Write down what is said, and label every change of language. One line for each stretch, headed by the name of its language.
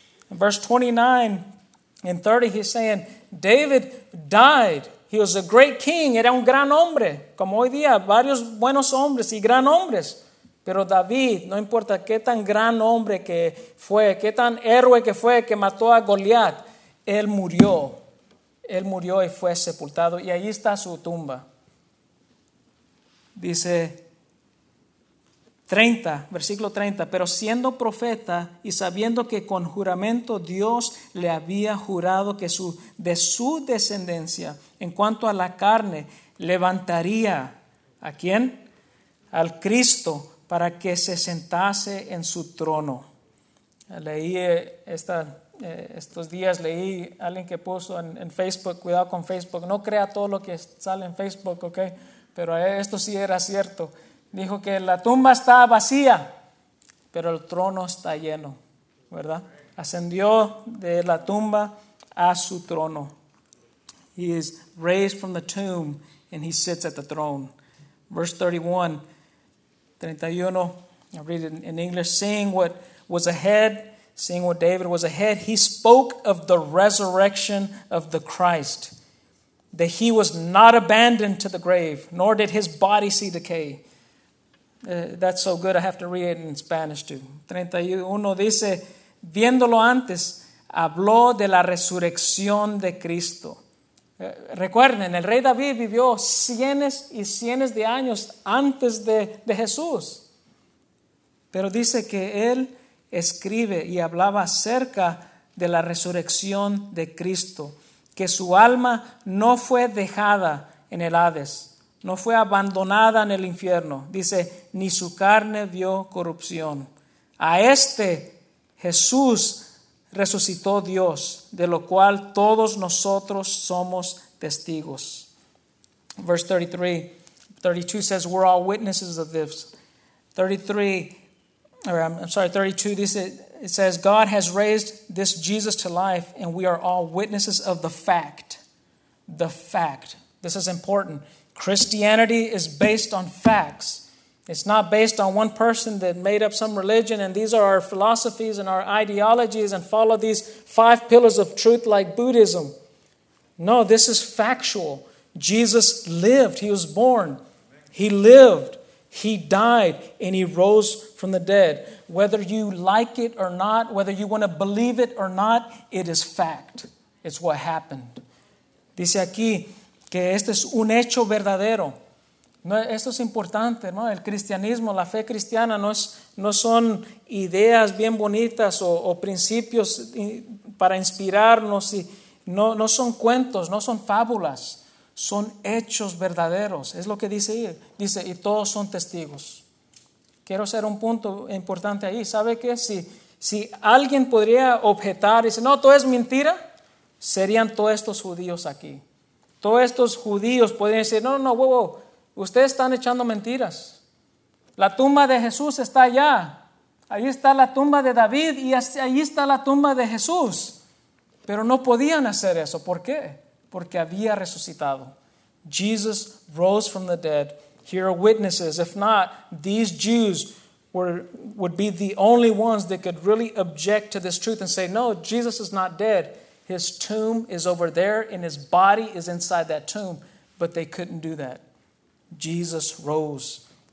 English: In verse 29 and 30, he's saying, David died. He was a great king.
Spanish: Era un gran hombre. Como hoy día, varios buenos hombres y gran hombres. Pero David, no importa qué tan gran hombre que fue, qué tan héroe que fue, que mató a Goliat, él murió. Él murió y fue sepultado. Y ahí está su tumba. Dice 30, versículo 30. Pero siendo profeta y sabiendo que con juramento Dios le había jurado que de su descendencia, en cuanto a la carne, levantaría, ¿a quién? Al Cristo, para que se sentase en su trono. Leí estos días leí a alguien que puso en Facebook, cuidado con Facebook, no crea todo lo que sale en Facebook, ok, pero esto sí era cierto. Dijo que la tumba está vacía, pero el trono está lleno, ¿verdad? Ascendió de la tumba a su trono.
English: He is raised from the tomb and he sits at the throne. Verse 31, I'll read it in English, seeing what David was ahead, he spoke of the resurrection of the Christ, that he was not abandoned to the grave, nor did his body see decay. That's so good, I have to read it in Spanish too.
Spanish: 31 dice, viéndolo antes, habló de la resurrección de Cristo. Recuerden, el rey David vivió cientos y cientos de años antes de Jesús. Pero dice que él escribe y hablaba acerca de la resurrección de Cristo, que su alma no fue dejada en el Hades, no fue abandonada en el infierno. Dice, ni su carne vio corrupción. A este Jesús resucitó Dios, de lo cual todos nosotros somos testigos.
English: Verse 32 says, we're all witnesses of this. 32 dice, it says, God has raised this Jesus to life, and we are all witnesses of the fact. This is important. Christianity is based on facts. It's not based on one person that made up some religion and these are our philosophies and our ideologies and follow these five pillars of truth like Buddhism. No, this is factual. Jesus lived. He was born. He lived. He died and he rose from the dead. Whether you like it or not, whether you want to believe it or not, it is fact. It's what happened.
Spanish: Dice aquí que este es un hecho verdadero. No, esto es importante, ¿no? El cristianismo, la fe cristiana, no son ideas bien bonitas o principios para inspirarnos. No son cuentos, no son fábulas. Son hechos verdaderos. Es lo que dice ahí. Dice, y todos son testigos. Quiero hacer un punto importante ahí. ¿Sabe qué? Si alguien podría objetar y decir, no, todo es mentira, serían todos estos judíos aquí. Todos estos judíos podrían decir, no, ustedes están echando mentiras. La tumba de Jesús está allá. Ahí está la tumba de David y ahí está la tumba de Jesús. Pero no podían hacer eso. ¿Por qué? Porque había resucitado.
English: Jesus rose from the dead. Here are witnesses. If not, these Jews would be the only ones that could really object to this truth and say, no, Jesus is not dead. His tomb is over there and his body is inside that tomb. But they couldn't do that. Jesus rose.